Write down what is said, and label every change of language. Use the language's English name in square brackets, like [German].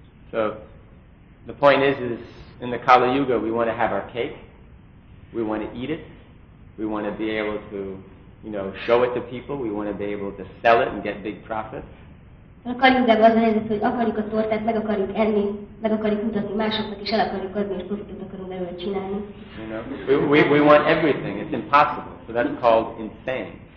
[English] So, the point is in the Kali Yuga, we want to have our cake, we want to eat it, we want to be able to, you know, show it to people, we want to be able to sell it and get big profits. [Hungarian] A kaliugában az a helyzet, hogy akarjuk a tortát, meg akarjuk enni, meg akarjuk mutatni másoknak, és el akarjuk adni, és profitot akarunk belőle csinálni. [English] You know, we want everything, it's impossible, so that's called insane.